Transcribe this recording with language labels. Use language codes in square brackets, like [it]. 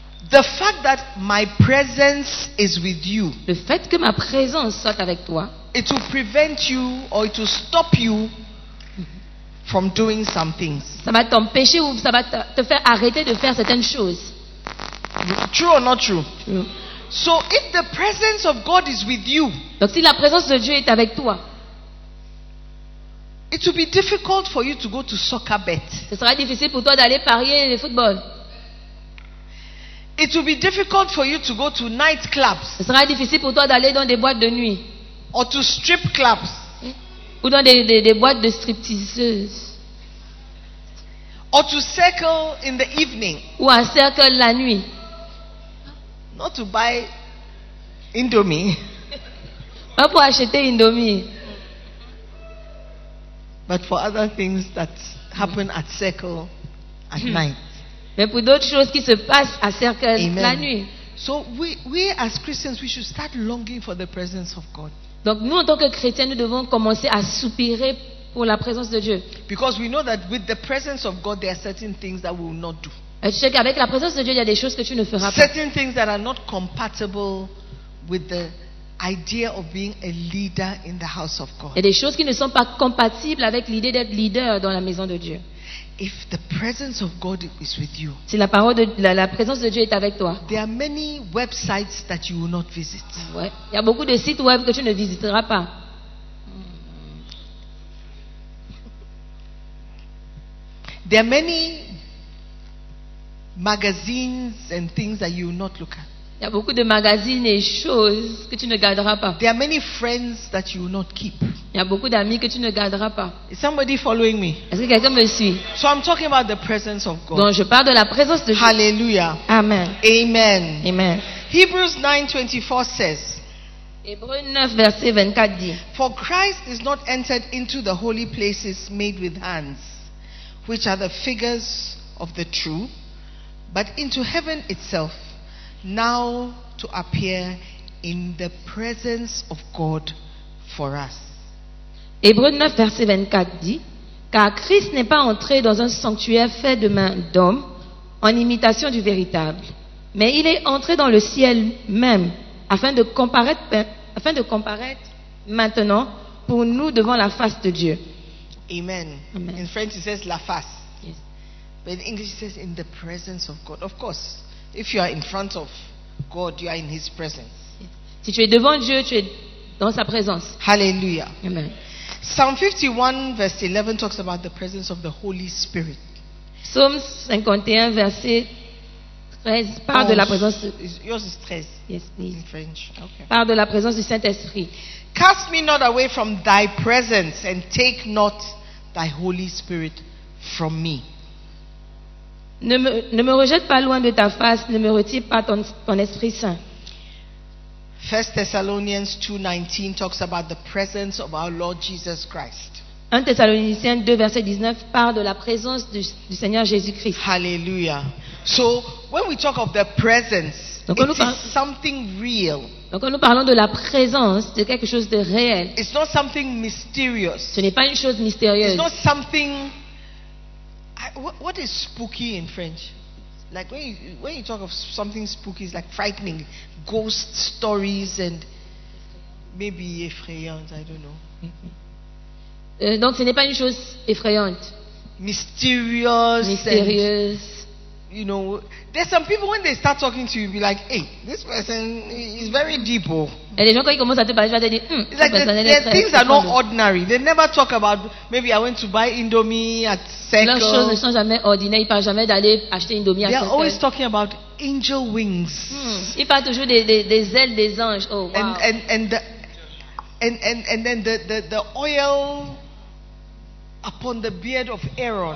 [en] The fact that my presence is with you. [fr] Le fait que ma présence soit avec toi. [en] It will prevent you or it will stop you from doing some things. [fr] Ça va t'empêcher ou ça va te faire arrêter de faire certaines choses. [en] True or not true? True. So if the presence of God is with you. [fr] Donc si la présence de Dieu est avec toi. [en] It will be difficult for you to go to soccer bet. [fr] Ce sera difficile pour toi d'aller parier le football. [en] It will be difficult for you to go to night clubs. [fr] Ce sera difficile pour toi d'aller dans des boîtes de nuit. [en] Or to strip clubs. [fr] Ou dans des boîtes de stripteaseuses. [en] Or to circle in the evening. [fr] Ou à circle la nuit. [en] Not to buy Indomie. [fr] Pas pour acheter Indomie. [en] But for other things that happen at circle at night. [fr] Mais pour d'autres choses qui se passent à circle Amen. La nuit. [en] So we as Christians we should start longing for the presence of God. [fr] Donc nous en tant que chrétiens nous devons commencer à soupirer pour la présence de Dieu. [en] Because we know that with the presence of God there are certain things that we will not do. [fr] Et tu sais qu'avec la présence de Dieu, il y a des choses que tu ne feras pas. [en] Certain things that are not compatible with the idea of being a leader in the house of God. [fr] Il y a des choses qui ne sont pas compatibles avec l'idée d'être leader dans la maison de Dieu. [en] If the presence of God is with you. [fr] Si la parole de la présence de Dieu est avec toi. [en] There are many websites that you will not visit. [fr] Ouais. Il y a beaucoup de sites web que tu ne visiteras pas. [en] There are many magazines and things that you will not look at. [fr] Il y a beaucoup de magazines et choses que tu ne garderas pas. [en] There are many friends that you will not keep. [fr] Il y a beaucoup d'amis que tu ne garderas pas. [en] Is somebody following me? [fr] Est-ce que quelqu'un me suit? [en] So I'm talking about the presence of God. [fr] Donc je parle de la présence de Dieu. Hallelujah. Amen. Amen. Amen. [en] Hebrews 9:24 says. [fr] Hébreux 9 verset 24 dit. [en] For Christ is not entered into the holy places made with hands, which are the figures of the true. But into heaven itself, now to appear in the presence of God for us. [fr] Hébreux 9, verset 24 dit, car Christ n'est pas entré dans un sanctuaire fait de main d'homme en imitation du véritable, mais il est entré dans le ciel même afin de comparaître maintenant pour nous devant la face de Dieu. Amen. Amen. [en] In French, it says la face. But in English it says in the presence of God. Of course, if you are in front of God, you are in His presence. [fr] Si tu es devant Dieu, tu es dans sa présence. Hallelujah. Amen. [en] Psalm 51 verse 11 talks about the presence of the Holy Spirit. [fr] Psaume 51 verset 13 parle de la présence. [en] Yours is 13. Yes, please. In French. Okay. [fr] Parle de la présence du Saint-Esprit. [en] Cast me not away from thy presence and take not thy Holy Spirit from me. [fr] Ne me rejette pas loin de ta face, ne me retire pas ton Esprit Saint. [en] 1 Thessalonians 2:19 talks about the presence of our Lord Jesus Christ. [fr] 1 Thessaloniciens 2 verset 19 parle de la présence du Seigneur Jésus-Christ. Hallelujah. [en] So, when we talk of the presence, something real. [fr] Donc quand nous parlons de la présence, c'est quelque chose de réel. [en] It's not something mysterious. [fr] Ce n'est pas une chose mystérieuse. [en] It's not something What is spooky in French? Like when you talk of something spooky, it's like frightening, ghost stories and maybe effrayant. I don't know. [fr] Donc ce n'est pas une chose effrayante. [en] Mysterious. And, you know, there's some people when they start talking to you, be like, hey, this person is very deep. Oh. [fr] Et les gens quand ils commencent à te parler, ils vont te dire, [en] it's like the things are not ordinary. They never talk about maybe I went to buy Indomie at. [fr] Leurs choses ne sont jamais ordinaires. Ils ne parlent jamais d'aller acheter une demi-assiette. [en] They are always talking about angel wings. [fr] Il parle toujours des ailes des anges. Oh, wow. [en] And then the oil upon the beard of Aaron.